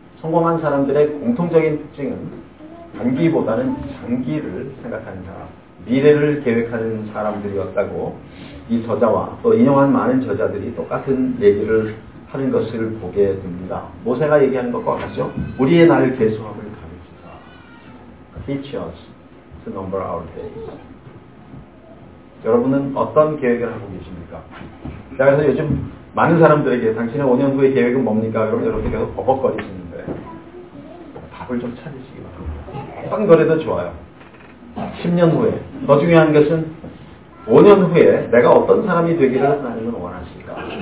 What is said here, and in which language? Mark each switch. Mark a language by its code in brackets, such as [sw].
[ko] 성공한 사람들의 공통적인 특징은 단기보다는 장기를 생각하는 사람, 미래를 계획하는 사람들이었다고 이 저자와 또 인용한 많은 저자들이 똑같은 얘기를 하는 것을 보게 됩니다. 모세가 얘기하는 것과 같죠? 우리의 날 개수함을 가르치사. [en] Teach us to number our days. [ko] 여러분은 어떤 계획을 하고 계십니까? 제가 그래서 요즘 많은 사람들에게 당신의 5년 후의 계획은 뭡니까? 그러면 여러분들 계속 버벅거리시는데 답을 좀 찾으시기 바랍니다. 어떤 거래도 좋아요. 10년 후에 더 중요한 것은 5년 후에 내가 어떤 사람이 되기를 하나님은 원하실까?